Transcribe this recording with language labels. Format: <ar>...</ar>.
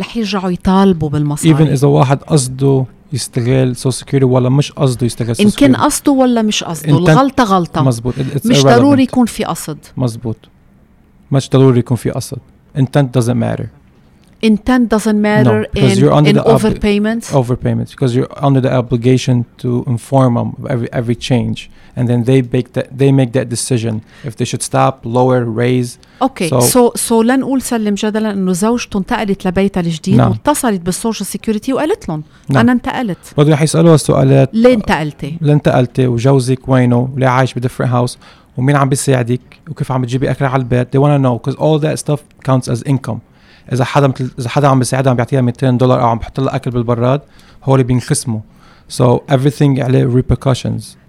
<ar>رح يرجعوا يطالبوا بالمصاري ايفن اذا واحد قصده يستغل سوشيال سيكيورتي ولا مش قصده يستغل ان كان قصده ولا مش قصده الغلطه غلطه مزبوط. مش ضروري يكون في قصد مزبوط مش ضروري يكون في قصد</ar> <en>intent doesn't matter intent doesn't matter no, because you're under in overpayments overpayments because you're under the obligation to inform them of every change and then they make that decision if they should stop lower raise okay so</en> <ar>لنقول سلم جدلا انه زوجته انتقلت لبيتها الجديد</ar> <en>no.</en> <ar>واتصلت بالسوشيال سيكيورتي وقالت لهم</ar> <en>no.</en> <ar>انا انتقلت بده يسالوها سؤالات ليه انتقلتي وجوزك وينه ليه عايش بديفرنت هاوس ومين عم بيساعدك وكيف عم بتجيبي اكل على البيت</ar> <en>they want to know because all that stuff counts as income</en> <ar>إذا حدا عم بيساعدها عم بيعطيها $200 أو عم بحط لها أكل بالبراد هو اللي بينقسمه</ar> <en>so everything</en> <ar>عليه repercussions</ar>